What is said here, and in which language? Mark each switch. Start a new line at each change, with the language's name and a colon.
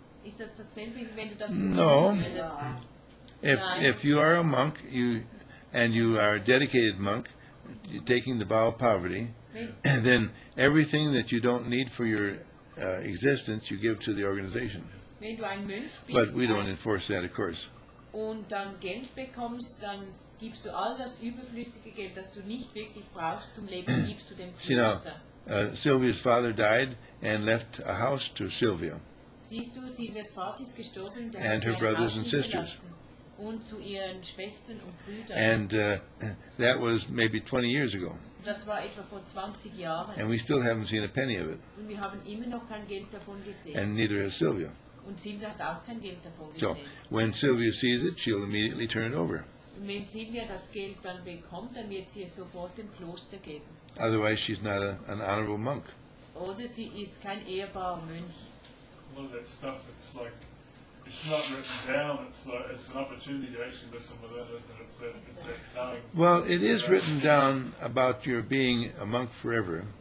German: Ist das dasselbe, wenn du das
English: no. If you are a monk and you are a dedicated monk, taking the vow of poverty, then everything that you don't need for your existence, you give to the organization.
German: Wenn du ein Mönch bist,
English: but we don't enforce that, of course.
German: Und dann Geld bekommst, dann gibst du all das überflüssige Geld, das du nicht wirklich brauchst zum Leben, gibst du dem Kloster.
English: You know, Sylvia's father died and left a house to Sylvia.
German: Siehst du, Sylvias Vater ist gestorben, der
English: and her brothers and sisters.
German: Und zu ihren Schwestern und Brüdern.
English: And that was maybe 20 years ago.
German: Das war etwa vor 20 Jahren.
English: And we still haven't seen a penny of it.
German: Und wir haben immer noch kein Geld davon gesehen.
English: And neither has Sylvia.
German: Und Sylvia hat auch kein Geld davon gesehen.
English: So, when Sylvia sees it, she'll immediately turn it over.
German: Und wenn Sylvia das Geld dann bekommt, dann wird sie es sofort dem Kloster geben.
English: Otherwise, she's not an honorable monk.
German: Oder sie ist kein ehrbarer Mönch.
English: All that stuff, it's like, it's not written down, it's like, it's an opportunity to actually listen with that, isn't it? It's that knowing. Well, it is written down about your being a monk forever.